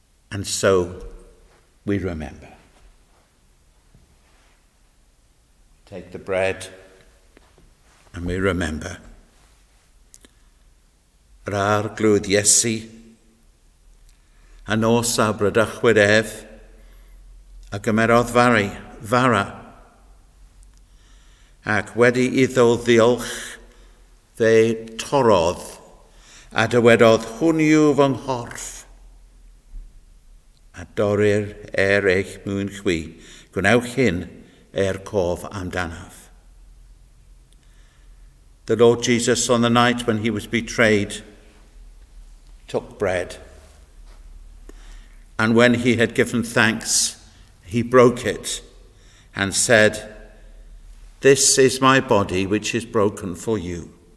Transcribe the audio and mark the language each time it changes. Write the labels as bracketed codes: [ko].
[en] And so we remember. Take the bread and we remember. [cy] Yr arglwydd Iesu, a nos a brydychwyd ef, a gymerodd fara, ac wedi iddo ddiolch fe torodd a dywedodd hwn yw fy nghorff a dorir eich mwyn chwi gwnewch hyn cof amdanaf. [en] The Lord Jesus on the night when he was betrayed took bread and when he had given thanks he broke it and said, This is my body, which is broken for you.